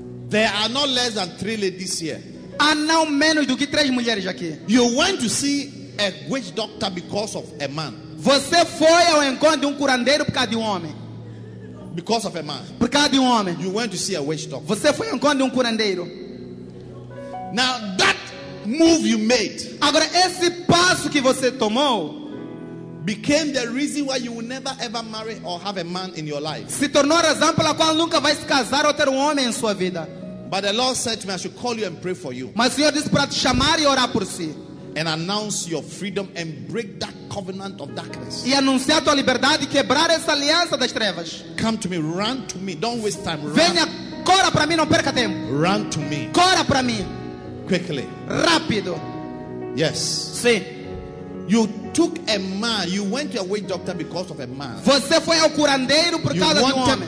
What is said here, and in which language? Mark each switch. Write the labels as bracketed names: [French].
[English] There are not less than three ladies here. [Portuguese] Há não menos do que três mulheres aqui. [English] You went to see a witch doctor because of a man. [Portuguese] Você foi ao encontro de curandeiro por causa de homem. [English] Because of a man. [Portuguese] Por causa de homem. [English] You went to see a witch doctor. [Portuguese] Você foi ao encontro de curandeiro. [English] Now that move you made. [Portuguese] Agora esse passo que você tomou [English] became the reason why you will never ever marry or have a man in your life. [Portuguese] Se tornou a razão pela qual nunca vai se casar ou ter homem em sua vida. [English] But the Lord said to me, I should call you and pray for you. [Portuguese] Mas o Senhor disse para te chamar e orar por si. [English] And announce your freedom and break that covenant of darkness. [Portuguese] E anunciar tua liberdade e quebrar essa aliança das trevas. [English] Come to me, run to me. Don't waste time. Run. [Portuguese] Venha, corra para mim, não perca tempo. [English] Run to me. [Portuguese] Corra para mim. [English] Quickly. [Portuguese] Rápido. [English] Yes. [Portuguese] Sim. [English] You took a man, you went to a witch doctor because of a man. [Portuguese] Você foi ao curandeiro por causa de um homem.